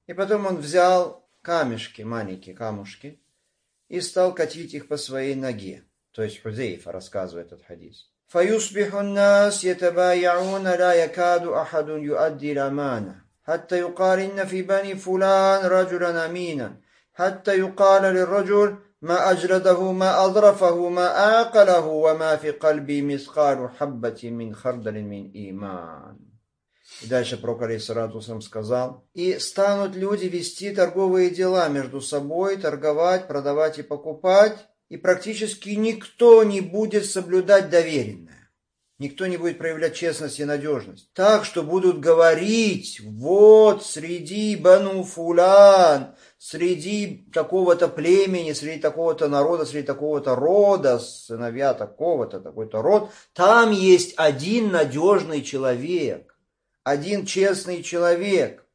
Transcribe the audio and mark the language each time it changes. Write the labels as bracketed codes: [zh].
[ru] И потом он взял камешки, маленькие камушки, и стал катить их по своей ноге. То есть Хузейфа рассказывает этот хадис. [ar] فَيُصْبِحُ النَّاسِ يَتَبَايَعُونَ لَا يَكَادُ أَحَدٌ يُؤَدِّي الْأَمَانَةَ حَتَّى يُقَارِنَّ فِي بَنِي فُلَانَ رَجُلًا أَمِينًا حَتَّى يُقَالَ لِلرَّجُلِ ما أجرده ما أضرفه ما آقله وما في قلبي مثقال حبة من خردل من إيمان. [ru] И дальше пророк алейхиссалям сказал: «И станут люди вести торговые дела между собой, торговать, продавать и покупать, и практически никто не будет соблюдать доверенное, никто не будет проявлять честность и надежность. Так что будут говорить: вот среди бану фулян, среди такого-то племени, среди такого-то народа, среди такого-то рода, сыновья такого-то, такой-то род, там есть один надежный человек, один честный человек.